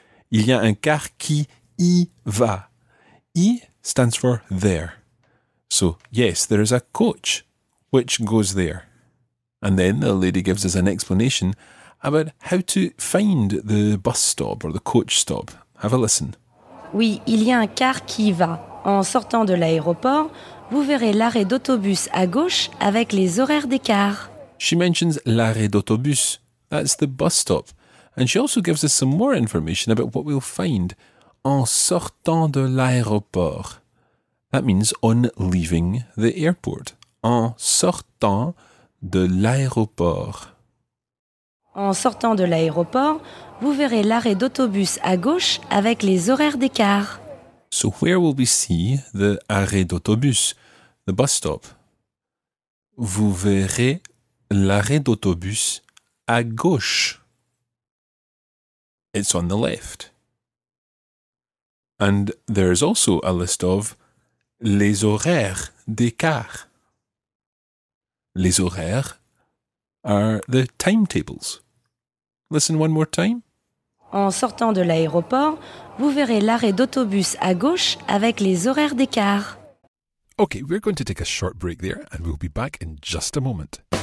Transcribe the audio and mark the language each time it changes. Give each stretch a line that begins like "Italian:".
French: Il y a un car qui y va.
English: Y stands for there. So, yes, there is a coach which goes there. And then the lady gives us an explanation about how to find the bus stop or the coach stop. Have a listen.
French: Oui, il y a un car qui va. En sortant de l'aéroport, vous verrez l'arrêt d'autobus à gauche avec les horaires des cars.
English: She mentions l'arrêt d'autobus. That's the bus stop. And she also gives us some more information about what we'll find
French: en sortant de l'aéroport.
English: That means on leaving the airport.
French: En sortant de l'aéroport. En sortant de l'aéroport, vous verrez l'arrêt d'autobus à gauche avec les horaires des cars.
English: So where will we see the arrêt d'autobus, the bus stop?
French: Vous verrez l'arrêt d'autobus à gauche.
English: It's on the left. And there is also a list of
French: les horaires des cars.
English: Les horaires are the timetables. Listen one more time.
French: En sortant de l'aéroport, vous verrez l'arrêt d'autobus à gauche avec les horaires des cars.
English: Okay, we're going to take a short break there and we'll be back in just a moment.